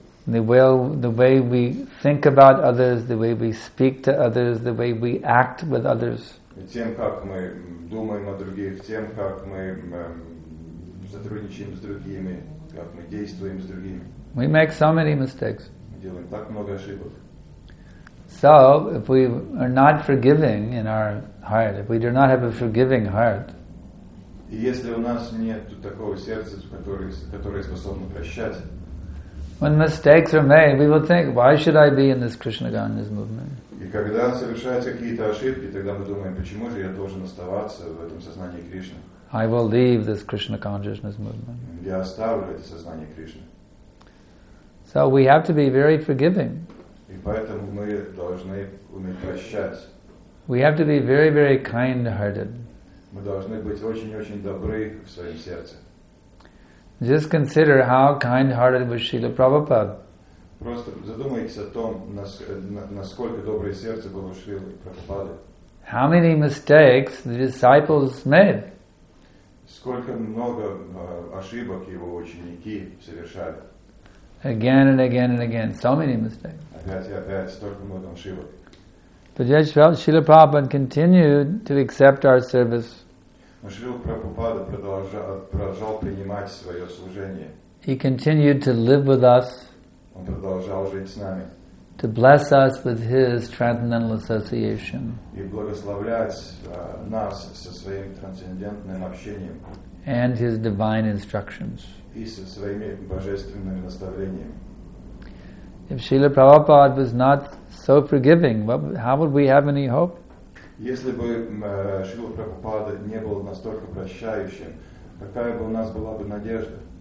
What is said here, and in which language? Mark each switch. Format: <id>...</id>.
<en>the way we think about others, the way we speak to others, the way we act with others,</en> <ru>тем, как мы думаем о других, тем, как мы сотрудничаем с другими, как мы действуем с другими.</ru> <en>We make so many mistakes.</en> <ru>Мы делаем так много ошибок.</ru> <en>So, if we are not forgiving in our heart, if we do not have a forgiving heart,</en> <ru>и если у нас нет такого сердца, которое способно прощать,</ru> <en>when mistakes are made, we will think, why should I be in this Krishna Ganges movement?</en> <ru>И когда совершаются какие-то ошибки, тогда мы думаем, почему же я должен оставаться в этом сознании Кришны?</ru> <en>I will leave this Krishna consciousness movement.</en> <ru>Я оставлю это сознание Кришны.</ru> <en>So we have to be very forgiving.</en> <ru>И поэтому мы должны уметь прощать.</ru> <en>We have to be very, very kind-hearted.</en> <ru>Мы должны быть очень-очень добры в своем сердце.</ru> <en>Just consider how kind-hearted was Srila Prabhupada.</en> <ru>Просто задумайтесь о том, насколько доброе сердце было Шрилы Прабхупады.</ru> <en>How many mistakes the disciples made?</en> <ru>Сколько много ошибок его ученики совершали.</ru> <en>Again and again and again. So many mistakes.</en> <ru>Опять, столько много ошибок.</ru> <en>But yet Srila Prabhupada continued to accept our service.</en> <ru>Но Шрила Прабхупада продолжал принимать свое служение.</ru> <en>He continued to live with us.</en> <ru>Он продолжал жить с нами.</ru> <en>To bless us with his transcendental association.</en> <ru>И благословлять нас со своим трансцендентным общением.</ru> <en>And his divine instructions.</en> <ru>И со своими божественными наставлениями.</ru> <en>If Srila Prabhupada was not so forgiving, how would we have any hope?</en> <ru>Если бы Шрила Прабхупада не был настолько прощающим, какая бы у нас была бы надежда?</ru>